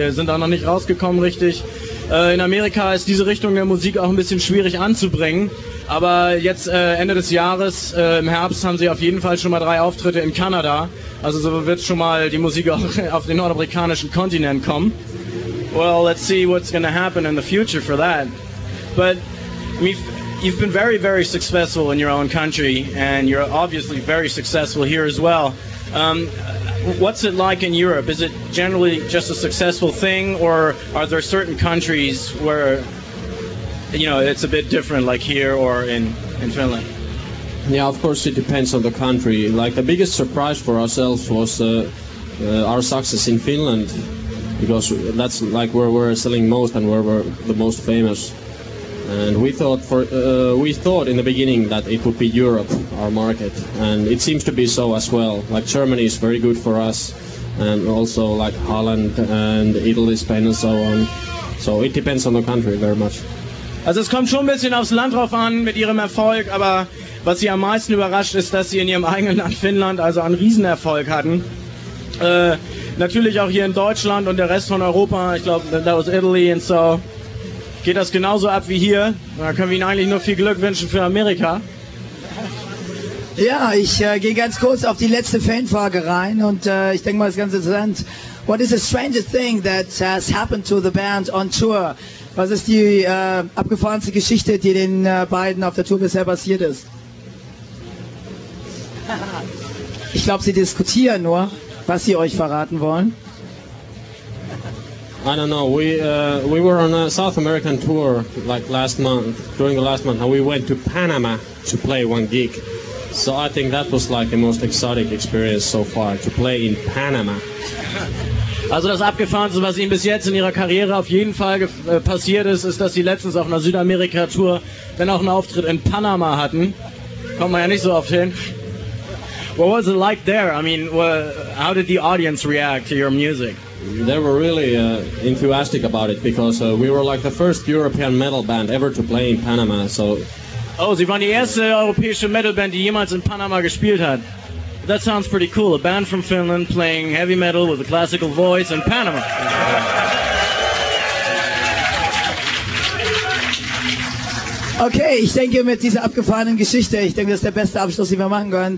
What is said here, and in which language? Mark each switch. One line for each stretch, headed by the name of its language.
German: Sie sind da noch nicht rausgekommen richtig. In Amerika ist diese Richtung der Musik auch ein bisschen schwierig anzubringen. Aber jetzt Ende des Jahres, im Herbst, haben sie auf jeden Fall schon mal 3 Auftritte in Kanada. Also so wird schon mal die Musik auch auf den nordamerikanischen Kontinent kommen.
English: Well, let's see what's going to happen in the future for that. But you've been very, very successful in your own country, and you're obviously very successful here as well. What's it like in Europe? Is it generally just a successful thing, or are there certain countries where, you know, it's a bit different, like here or in Finland? Yeah, of course it depends on the country. Like, the biggest surprise for ourselves was our success in Finland, because that's like where we're selling most and where we're the most famous. And we thought in the beginning that it would be Europe, our market, and it seems to be so as well. Like, Germany is very good for us, and also like Holland and Italy, Spain and so on. So it depends on the country very much.
German: Also es kommt schon ein bisschen aufs Land drauf an mit ihrem Erfolg, aber was sie am meisten überrascht ist, dass sie in ihrem eigenen Land Finnland also einen Riesenerfolg hatten. Natürlich auch hier in Deutschland und der Rest von Europa, ich glaube,
English: that was Italy and so.
German: Geht das genauso ab wie hier? Da können wir Ihnen eigentlich nur viel Glück wünschen für Amerika. Ja, ich gehe ganz kurz auf die letzte Fanfrage rein und ich denke mal, es ist ganz interessant.
English: What is the strangest thing that has happened to the band on tour?
German: Was ist die abgefahrenste Geschichte, die den beiden auf der Tour bisher passiert ist? Ich glaube, sie diskutieren nur, was sie euch verraten wollen.
English: I don't know. We were on a South American tour like last month, during the last month, and we went to Panama to play one gig. So I think that was like the most exotic experience so far, to play in Panama.
German: Also das Abgefahrenste, was Ihnen bis jetzt in Ihrer Karriere auf jeden Fall passiert ist, ist, dass Sie letztens auf einer Südamerika-Tour dann auch einen Auftritt in Panama hatten. Kommt man ja nicht so oft hin.
English: What was it like there? I mean, how did the audience react to your music? They were really enthusiastic about it, because we were like the first European metal band ever to play in Panama, so...
German: Oh, Sie waren die erste europäische Metalband, die jemals in Panama gespielt hat.
English: That sounds pretty cool. A band from Finland playing heavy metal with a classical voice in Panama.
German: Okay, ich denke mit dieser abgefahrenen Geschichte, ich denke, das ist der beste Abschluss, den wir machen können.